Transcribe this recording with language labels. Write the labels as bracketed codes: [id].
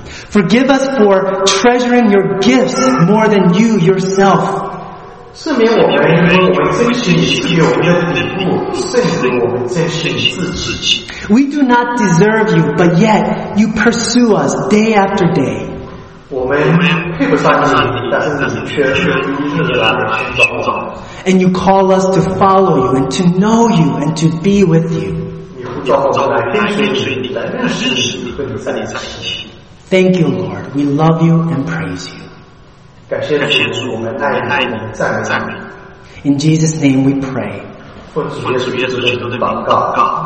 [en] Forgive us for treasuring your gifts more than you yourself. [zh] 赦免我们，因为我们珍惜你赐给我们的礼物，甚至我们珍惜你自己。 [en] We do not deserve you, but yet you pursue us day after day. [zh] 我们配不上你，但是你却一直的来找我。 [en] And you call us to follow you and to know you and to be with you. [zh] 你呼召我们来跟随你，来认识你，和你在一起。 [en] Thank you, Lord. We love you and praise you. [zh] 感谢主，我们爱你，赞美赞美。 [en] In Jesus' name we pray. [zh] 奉主耶稣基督的名祷告，